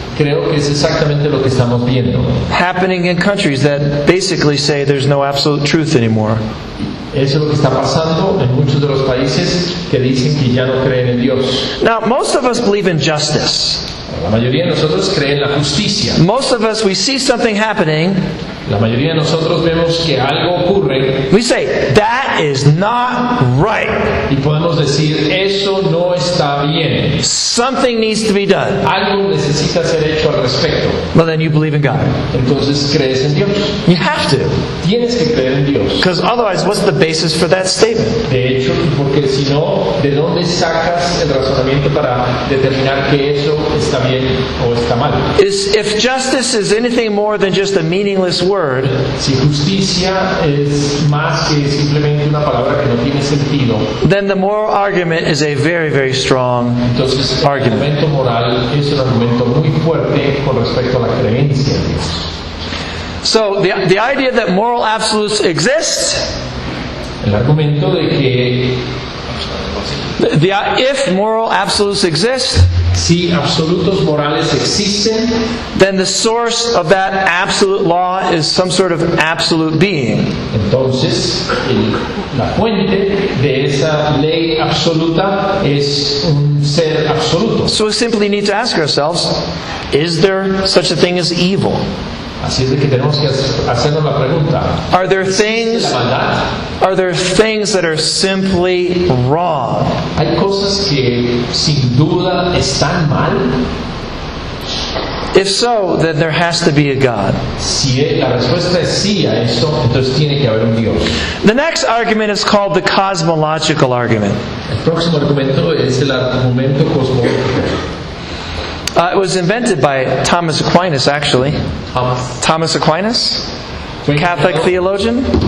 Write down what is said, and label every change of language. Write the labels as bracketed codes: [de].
[es] Creo que es exactamente lo que estamos viendo. [en] Happening in countries that basically say there's no absolute truth anymore. [es] Eso es lo que está pasando en muchos de los países que dicen que ya no creen en Dios. [en] Now, most of us believe in justice. [es] La mayoría de nosotros creen en la justicia. [en] Most of us, we see something happening. [es] La mayoría de nosotros vemos que algo ocurre. [en] We say, that is not right. [es] Y podemos decir, eso no está bien. [en] Something needs to be done. [es] Algo necesita ser hecho al respecto. [en] Well, then you believe in God. [es] Entonces, ¿crees en Dios? [en] You have to. [es] Tienes que creer en Dios. [en] Because otherwise, what's the basis for that statement? [es] De hecho, porque si no, ¿de dónde sacas el razonamiento para determinar que eso está bien o está mal? [en] If justice is anything more than just a meaningless word, word, [es] si justicia es más que simplemente una palabra que no tiene sentido, [en] then the moral argument is a very, very strong [es] entonces, [en] argument. [es] El argumento moral es un argumento muy fuerte con respecto a la creencia. [en] So the idea that moral absolutes exist, [es] el argumento de que [en] if moral absolutes exist, [es] si absolutos morales existen, [en] then the source of that absolute law is some sort of absolute being. [es] Entonces, la fuente de esa ley absoluta es un ser absoluto. [en] So we simply need to ask ourselves, is there such a thing as evil? [es] Así es de que tenemos que hacernos la pregunta. [en] Are there things? Are there things that are simply wrong? [es] Hay cosas que sin duda están mal. [en] If so, then there has to be a God. [es] Si la respuesta es sí a eso, entonces tiene que haber un Dios. [en] The next argument is called the cosmological argument. [es] El próximo argumento es el argumento cosmológico. [en] It was invented by Thomas Aquinas, actually. Thomas Aquinas, Catholic theologian.